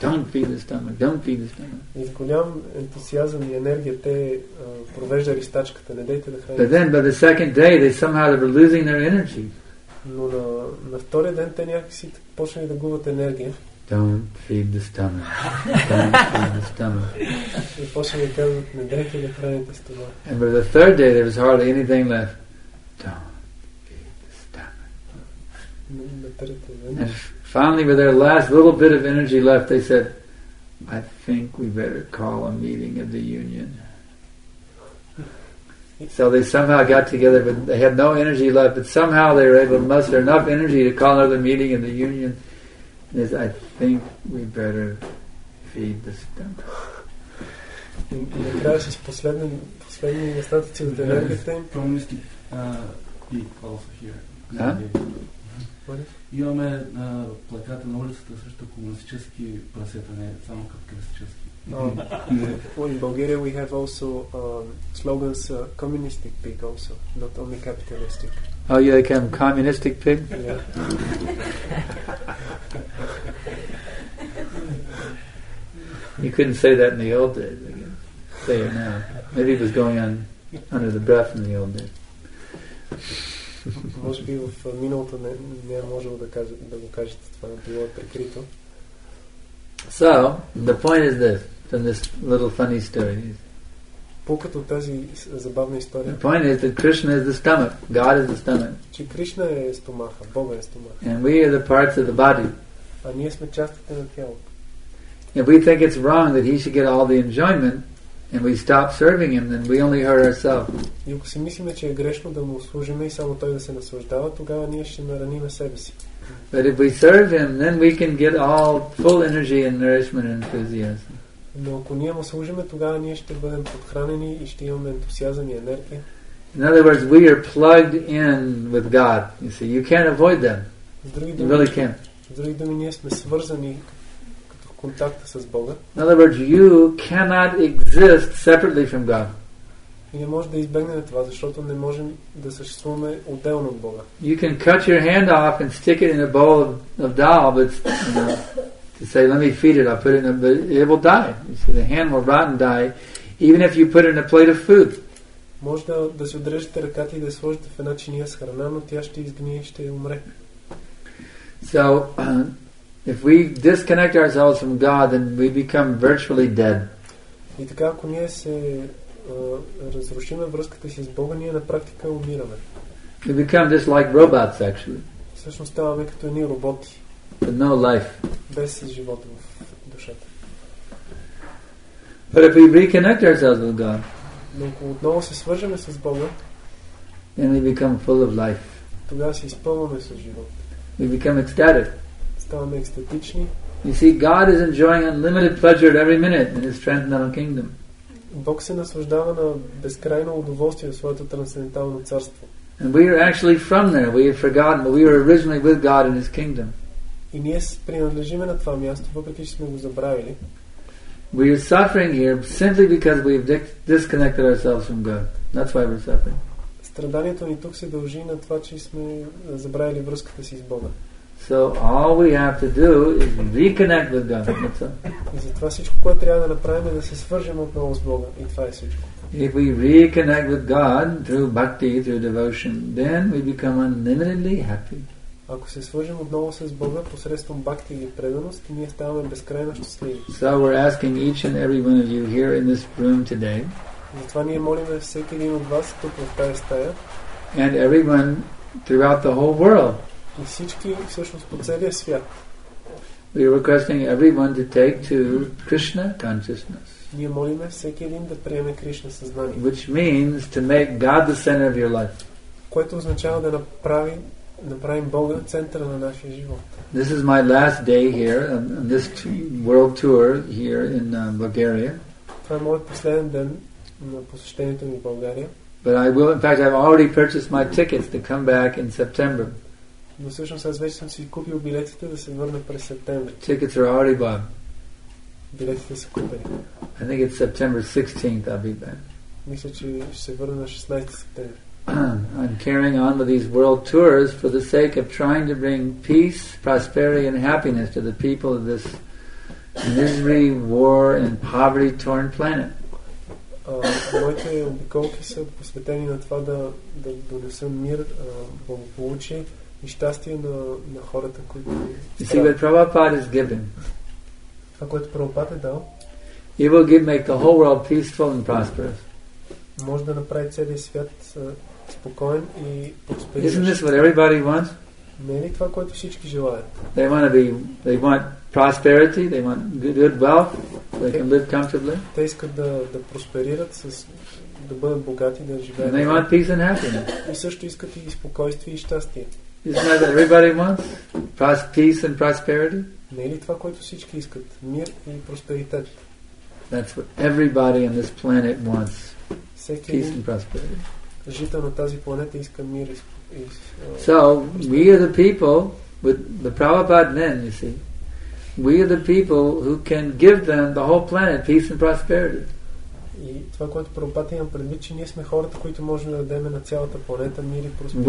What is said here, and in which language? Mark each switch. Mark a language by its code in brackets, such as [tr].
[en] Don't feed the stomach. Don't feed the stomach. [bg] И с голям ентусиазъм и енергия те провеждали стачката. Не дейте да храните. [en] But then by the second day they somehow were losing their energy. [bg] Но на втория ден те някакси почнали да губят енергия. [en] Don't feed the stomach. Don't feed the stomach. [bg] И почнали да казват, не дейте да храните стомаха. [en] And by the third day there was hardly anything left. Don't. And finally, with their last little bit of energy left, they said, I think we better call a meeting of the union. So they somehow got together, but they had no energy left, but somehow they were able to muster enough energy to call another meeting of the union. And they said, I think we better feed the stomach. [bg] Имаме плаката на улицата срещу комунистически прасета, не само капиталистически. [en] In Bulgaria we have also slogans communistic pig also, not only capitalistic. Oh, you like communistic pig? Yeah. You couldn't say that in the old days, I guess. Say it now. Maybe it was going on under the breath in the old days. [bg] Може би в миналото не е можело да го кажете това, било е прикрито. [en] So, the point is this, from this little funny story. [bg] Пукът от тази забавна история. [en] The point is that Krishna is the stomach. God is the stomach. [bg] Че Кришна е стомаха, Бога е стомаха. [en] And we are the parts of the body. [bg] А ние сме частите на тялото. [en] If we think it's wrong that he should get all the enjoyment, and we stop serving him, then we only hurt ourselves. [bg] И ако си мислиме, че е грешно да му служиме и само той да се наслаждава, тогава ние ще нараним себе си. [en] But if we serve him, then we can get all full energy and nourishment and enthusiasm. [bg] Но ако ние му служиме, тогава ние ще бъдем подхранени и ще имаме ентусиазъм и енергия. [en] In other words, we are plugged in with God. You see, you can't avoid them. You really can't. [bg] С други думи, ние сме свързани контакта с Бога. [en] In other words, you cannot exist separately from God. [bg] И не може да избегнем това, защото не можем да съществуваме отделно от Бога. [en] You can cut your hand off and stick it in a bowl of dal, but to say, let me feed it, I'll put it in a, but it will die. You see, the hand will rot and die, even if you put it in a plate of food. [bg] Може да си отрежете ръката и да сложите в една чиния с храна, но тя ще изгние и ще умре. [en] So, if we disconnect ourselves from God, then we become virtually dead. [bg] И така, ако ние се разрушим връзката си с Бога, ние на практика умираме. [en] We become just like robots, actually. [bg] Всъщност ставаме като едни роботи. [en] But no life. [bg] Без живот в душата. [en] But if we reconnect ourselves with God, [bg] но ако отново се свържем с Бога, [en] then we become full of life. [bg] Тогава се изпълваме с живот. [en] We become ecstatic. [bg] Ставаме екстатични. [en] You see, God is enjoying unlimited pleasure at every minute in His transcendental kingdom. [bg] Бог се наслаждава на безкрайно удоволствие в своето трансцендентално царство. [en] And we are actually from there. We have forgotten, but we were originally with God in His kingdom. [bg] И ние принадлежиме на това място, въпреки че сме го забравили. [en] We are suffering here simply because we have disconnected ourselves from God. That's why we're suffering. [bg] Страданието ни тук се дължи на това, че сме забравили връзката си с Бога. [en] So all we have to do is reconnect with God. That's all. [bg] И затова всичко, което трябва да направим, е да се свържем отново с Бога. И това е всичко. [en] If we reconnect with God through bhakti, through devotion, then we become unlimitedly happy. [bg] Ако се свържем отново с Бога посредством бхакти или преданост, ние ставаме безкрайно щастливи. [en] So we're asking each and every one of you here in this room today. [bg] Затова ние молим всеки един от вас тук в тази стая. [en] And everyone throughout the whole world. [bg] И всички всъщност по целия свят. [en] We are requesting everyone to take to Krishna consciousness. [bg] Ние молиме всеки един да приеме Кришна съзнание. [en] Which means to make God the center of your life. [bg] Което означава да направи направим Бога центъра на нашия живот. [en] This is my last day here on this world tour here in Bulgaria. [bg] Това е моят последен ден на посещението ми в България. [en] But I will, in fact, I've already purchased my tickets to come back in September. [bg] Но всъщност аз вече съм си купил билетите да се върна през септември. [en] Tickets are already bought. [bg] Билетите са купени. [en] I think it's September 16th I'll be back. [bg] Мисля, че ще се върна на 16 септември. [en] I'm carrying on with these world tours for the sake of trying to bring peace, prosperity and happiness to the people of this misery, war and poverty torn planet. [bg] Моите обиколки са посветени на това да донесам мир, благополучие и щастие на хората, които... [en] You see what Prabhupada is giving. [bg] Това, което Прабхупада е дал. [en] He will give, make the whole world peaceful and prosperous. [bg] Може да направи целия свят спокоен и успешен. [en] Isn't this what everybody wants? [bg] Не е ли това, което всички желаят? [en] They want prosperity, they want good wealth, they can live comfortably. [bg] Те искат да просперират, да бъдат богати, да живеят. [en] And they want peace and happiness. [bg] И също искат и спокойствие и щастие. [en] Isn't that what everybody wants? Peace and prosperity? [bg] Не е ли това, което всички искат? Мир и просперитет. [en] That's what everybody on this planet wants. Peace and prosperity. [bg] Жител на тази планета иска мир и [en] So, we are the people with the Prabhupada men, you see. We are the people who can give them the whole planet peace and prosperity. [bg] И това, което Прабхупада има предвид, че ние сме хората, които можем да дадем на цялата планета мир и просперитет.